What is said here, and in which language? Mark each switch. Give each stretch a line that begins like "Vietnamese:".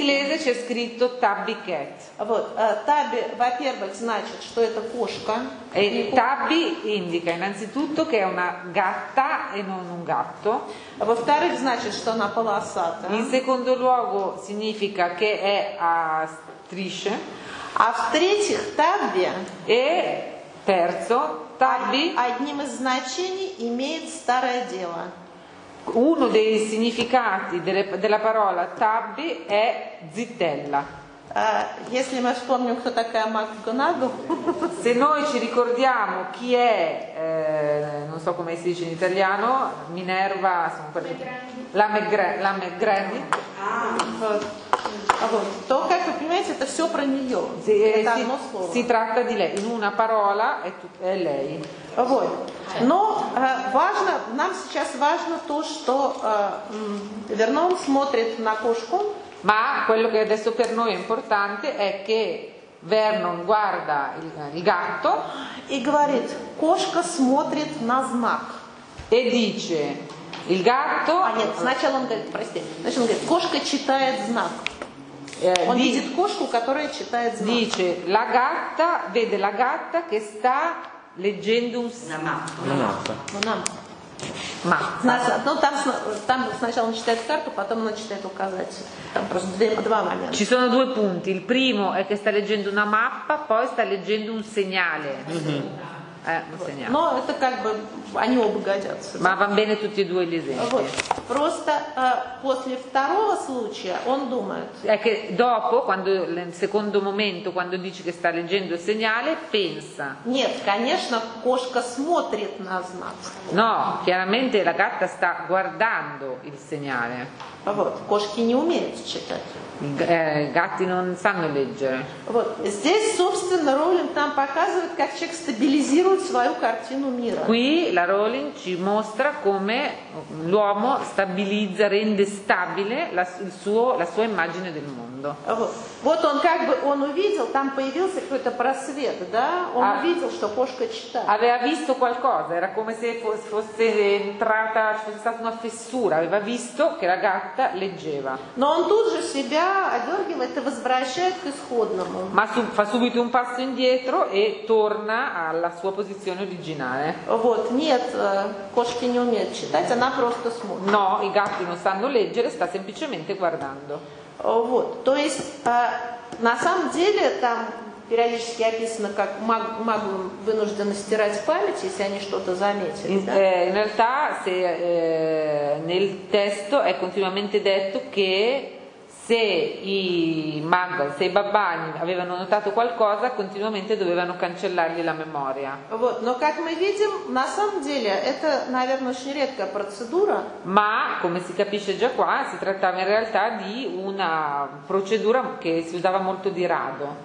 Italian: In inglese c'è scritto Tabby Cat.
Russian: Вот, Tabby, во-первых, значит, что это кошка.
Italian: E Tabby indica innanzitutto che è una gatta e non un gatto.
Russian: Во-вторых, значит, что она полосата.
Italian: In secondo luogo significa che è a strisce.
Russian: А в-третьих, Tabby.
Italian: E terzo, Tabby.
Russian: Одним из значений имеет старое дело.
Italian: Uno dei significati della parola Tabby è zittella.
Russian: Если мы вспомним, кто такая Макгонагал.
Italian: Se noi ci ricordiamo chi è, non so come si dice in italiano, Minerva, sono quelle, la McGrady.
Russian: То, как вы понимаете, это все про нее. Это одно слово.
Italian: Si tratta di lei. In una parola è lei.
Russian: Вот. Но важно, нам сейчас важно то, что Вернон смотрит на кошку.
Italian: Ma quello che adesso per noi è importante è che Vernon guarda il gatto
Russian: e говорит, кошка смотрит на знак.
Italian: E dice, il gatto...
Russian: А нет, сначала он говорит, прости, значит он говорит, кошка читает знак. Он видит кошку, которая читает знак.
Italian: Dice, la gatta, vede la gatta che sta leggendo un... La mappa. La mappa. La mappa.
Russian: Ну, там сначала он читает карту, потом он читает указатель. Там просто два момента.
Italian: Ci sono due punti. Il primo è che sta leggendo una mappa, poi sta leggendo un segnale.
Russian: Но это как бы они оба годятся.
Italian: Ma va bene tutti e due gli esempi.
Russian: Просто после второго случая он думает.
Italian: È che dopo, quando nel secondo momento, quando dici che sta leggendo il segnale, pensa.
Russian: Нет, конечно, кошка смотрит на знак.
Italian: No, chiaramente la gatta sta guardando il segnale.
Russian: Вот, кошки не умеют читать.
Italian: Gatti non sanno leggere.
Russian: Вот, здесь, собственно, Роулинг там показывает, как человек стабилизирует свою картину мира.
Italian: Qui la Rowling ci mostra come l'uomo stabilizza, rende stabile la sua immagine del mondo.
Russian: Вот он как бы он увидел, там появился какой-то просвет, да? Он увидел, что кошка читает.
Italian: Aveva visto qualcosa, era come se fosse entrata, ci fosse stata una fessura, aveva visto che la gatta leggeva.
Russian: Но он тут же себя одергивает и возвращает к исходному.
Italian: Ma fa subito un passo indietro e torna alla sua posizione originale.
Russian: Вот, нет, кошки не умеют читать, она просто смотрит.
Italian: No, i gatti non sanno leggere, sta semplicemente guardando.
Russian: Вот, то есть на самом деле там периодически описано, как маг вынужден стирать память, если они что-то заметили.
Italian: In realtà, se nel testo è continuamente detto che se i Mughal, se i babbani avevano notato qualcosa, continuamente dovevano cancellargli la memoria. Ma, come si capisce già qua, si trattava in realtà di una procedura che si usava molto di rado.